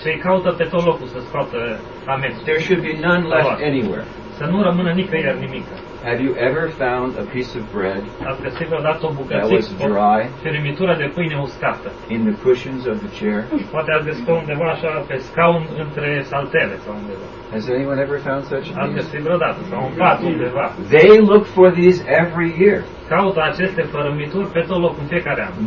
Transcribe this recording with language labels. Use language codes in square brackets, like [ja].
[ro] Se caută pe tot locul să scoată hametz. [en] There should be none left anywhere. [ro] Să nu rămână nicăieri nimic. [en] Have you ever found a piece of bread that was dry [ro] fermitura de pâine uscată [en] in the cushions of the chair? [ro] Poate ați găsit undeva așa pe scaun între saltele sau undeva. [en] Has anyone ever found such a piece? [ro] Ați găsit vreodată sau un pat undeva. [en] They look for these every year. [ro] Caută aceste fărâmituri pe tot loc în fiecare an.